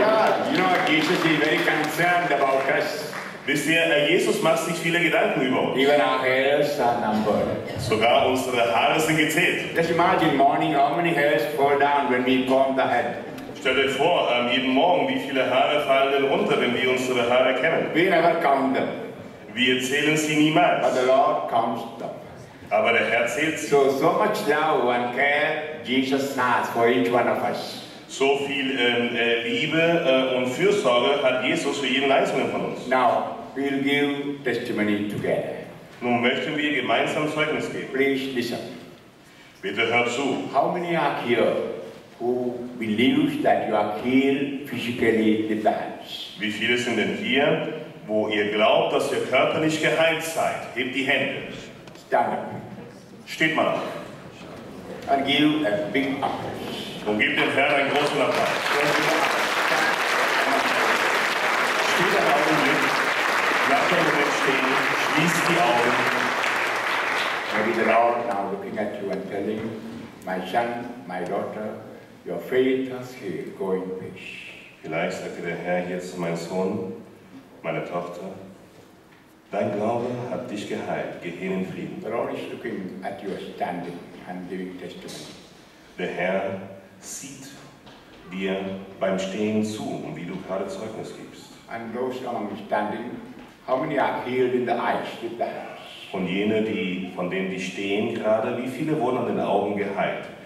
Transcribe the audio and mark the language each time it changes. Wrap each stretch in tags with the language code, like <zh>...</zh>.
<en>Ja, you know, Jesus is very concerned about us.</en> <de>Wisst ihr, Jesus macht sich viele Gedanken über uns.</de> <en>Even our hairs are numbered.</en> <de>Sogar unsere Haare sind gezählt.</de> <en>Just imagine, morning, how many hairs fall down when we comb the head.</en> <de>Stellt euch vor, jeden Morgen, wie viele Haare fallen denn runter, wenn wir unsere Haare kämmen?</de> <en>We never count them.</en> <de>Wir zählen sie niemals.</de> <en>But the Lord counts them.</en> <de>Aber der Herr zählt sie.</de> <en>So much love and care Jesus has for each one of us.</en> <de>So viel Liebe und Fürsorge hat Jesus für jeden Einzelnen von uns.</de> <en>Now, we'll give testimony together.</en> <de>Nun möchten wir gemeinsam Zeugnis geben.</de> <en>Please listen.</en> <de>Bitte hör zu.</de> <en>How many are here who believe that you are healed physically with the hands?</en> <de>Wie viele sind denn hier, wo ihr glaubt, dass ihr körperlich geheilt seid? Hebt die Hände.</de> <en>Stand.</en> <de>Steht mal auf.</de> <en>And give a big applause.</en> <de>Und gib dem Herrn einen großen Applaus. Steht ein Augenblick. Lass den Moment stehen. Schließt die Augen. Und</de> <en>the Lord now looking at you and telling, my son, my daughter, your faith has healed. Go in peace.</en> <de>Vielleicht sagte der Herr hier zu meinem Sohn, meine Tochter, dein Glaube hat dich geheilt. Geh hin in Frieden.</de> <en>The Lord is looking at your standing and giving testimony.</en> <de>Der Herr sieht dir beim Stehen zu, wie du gerade Zeugnis gibst.</de> <en>And those among standing, how many are healed in the eyes with the hands?</en> <de>Und jene, die, von denen die stehen gerade, wie viele wurden an den Augen geheilt?</de>